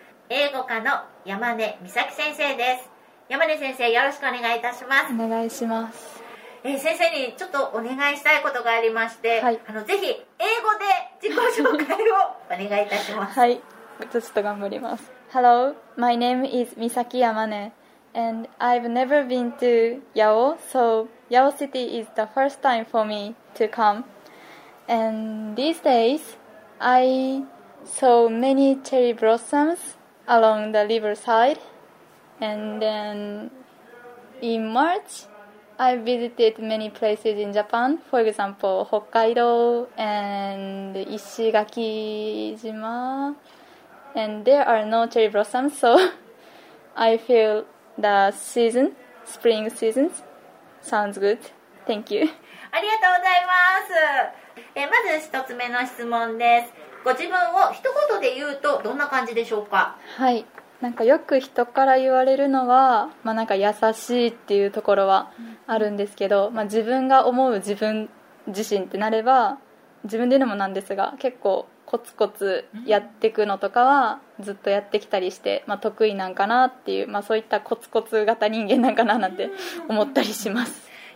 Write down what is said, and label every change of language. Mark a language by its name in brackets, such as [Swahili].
[Japanese] 英語科の山根美咲先生です。山根先生、よろしくお願いいたします。お願いします。先生にちょっとお願いしたいことがありまして、はい、ぜひ英語で自己紹介をお願いいたします。はい、ちょっと頑張ります。 [English] Hello, my name is Misaki Yamane, and I've never been to Yao, so Yao City is the first time for me to come. And these days, I saw many cherry blossoms along the riverside. And then in March, I visited many places in Japan, for example, Hokkaido and Ishigakijima. And there are no cherry blossoms, so I feel the season, spring season, sounds good. Thank you. [Japanese] ありがとうございます。まず一つ目の質問です。ご自分を一言で言うとどんな感じでしょうか？はい。なんかよく人から言われるのは、まあ、なんか優しいっていうところはあるんですけど、まあ、自分が思う自分自身ってなれば、自分で言うのもなんですが、結構コツコツやっていくのとかはずっとやってきたりして、まあ、得意なんかなっていう、まあ、そういったコツコツ型人間なんかななんて思ったりします。